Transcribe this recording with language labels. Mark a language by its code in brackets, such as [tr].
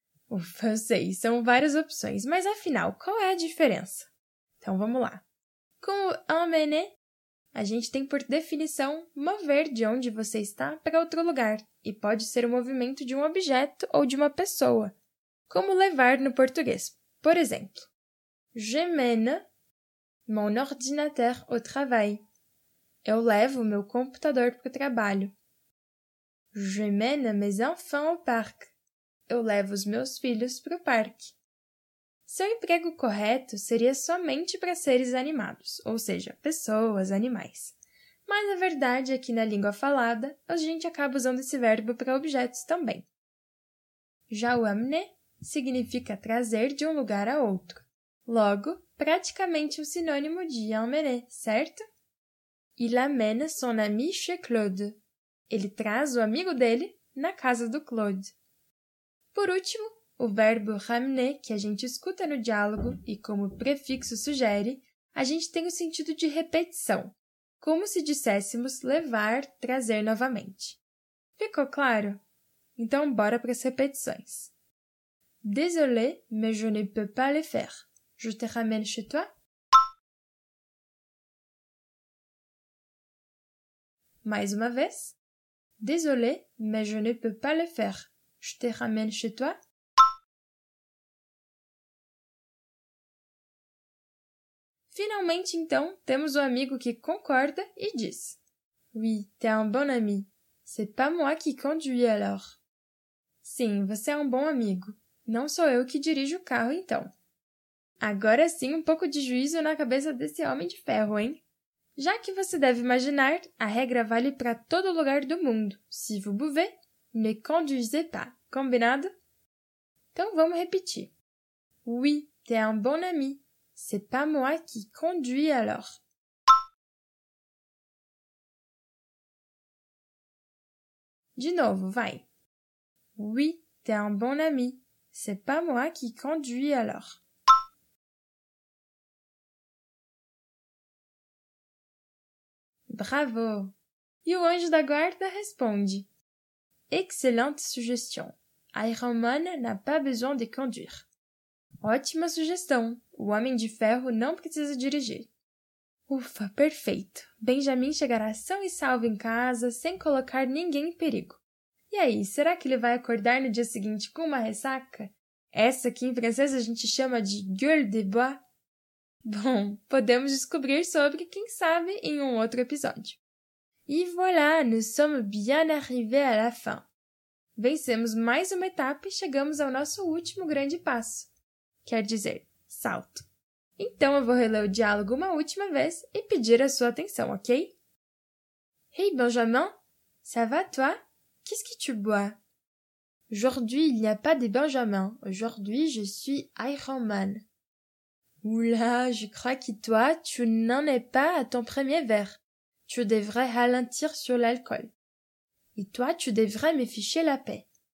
[pt] Ufa, eu sei, são várias opções, mas afinal, qual é a diferença? Então vamos lá. Com o emmener, a gente tem por definição mover de onde você está para outro lugar, e pode ser o movimento de um objeto ou de uma pessoa, como levar no português. Por exemplo, [fr] je mène mon ordinateur au travail. [pt] Eu levo meu computador para o trabalho. [fr] Je mène mes enfants au parc. [pt] Eu levo os meus filhos para o parque. Seu emprego correto seria somente para seres animados, ou seja, pessoas, animais. Mas a verdade é que na língua falada, a gente acaba usando esse verbo para objetos também. Já o amener significa trazer de um lugar a outro. Logo, praticamente um sinônimo de emmener, certo? [fr] Il amène son ami chez Claude. [pt] Ele traz o amigo dele na casa do Claude. Por último, o verbo ramener, que a gente escuta no diálogo e como o prefixo sugere, a gente tem o sentido de repetição, como se disséssemos levar, trazer novamente. Ficou claro? Então, bora para as repetições. [fr] Désolé, mais je ne peux pas le faire. Je te ramène chez toi? [pt] Mais uma vez. [fr] Désolé, mais je ne peux pas le faire. Je te ramène chez toi? [pt] Finalmente, então, temos o amigo que concorda e diz: [fr] Oui, t'es un bon ami. C'est pas moi qui conduis alors. [pt] Sim, você é um bom amigo. Não sou eu que dirijo o carro, então. Agora sim, um pouco de juízo na cabeça desse homem de ferro, hein? Já que você deve imaginar, a regra vale para todo lugar do mundo. [fr] Si vous pouvez, ne conduisez pas. Combinado? [pt] Então vamos repetir. [fr] Oui, t'es un bon ami. C'est pas moi qui conduis alors. [pt] De novo, vai. [fr] Oui, t'es un bon ami. C'est pas moi qui conduis alors. [pt] Bravo! E o anjo da guarda responde: Excelente suggestion. [fr] Iron Man n'a pas besoin de conduire. [pt] Ótima sugestão. O Homem de Ferro não precisa dirigir. Ufa, perfeito. Benjamin chegará são e salvo em casa, sem colocar ninguém em perigo. E aí, será que ele vai acordar no dia seguinte com uma ressaca? Essa que em francês a gente chama de gueule de bois? Bom, podemos descobrir sobre, quem sabe, em um outro episódio. [fr] E voilà, nous sommes bien arrivés à la fin. [pt] Vencemos mais uma etapa e chegamos ao nosso último grande passo. Quer dizer, salto. Então eu vou reler o diálogo uma última vez e pedir a sua atenção, ok? [fr] Hey Benjamin, ça va toi? Qu'est-ce que tu bois? Aujourd'hui, il n'y a pas de Benjamin. Aujourd'hui, je suis Iron Man. Oula, je crois que toi, tu n'en es pas à ton premier verre. Tu devrais ralentir sur l'alcool. Et toi, tu devrais me ficher la paix.